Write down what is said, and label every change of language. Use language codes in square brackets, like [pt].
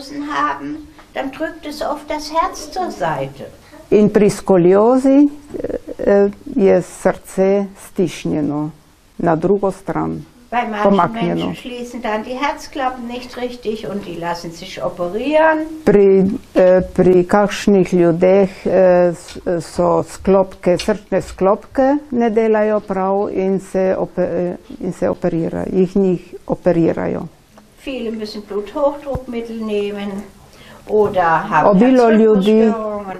[de] Haben, dann drückt es oft das Herz zur Seite. [sl] In pri skoliozi je srce stišnjeno na drugo stran. [de] Bei manchen Menschen schließen dann die Herzklappen nicht richtig und die lassen sich operieren. [sl] Pri kakšnih ljudeh so sklopke, srčne sklopke ne delajo prav in se operirajo, jih njih operirajo. [de] Viele müssen Bluthochdruckmittel nehmen oder haben Herzrhythmusstörungen.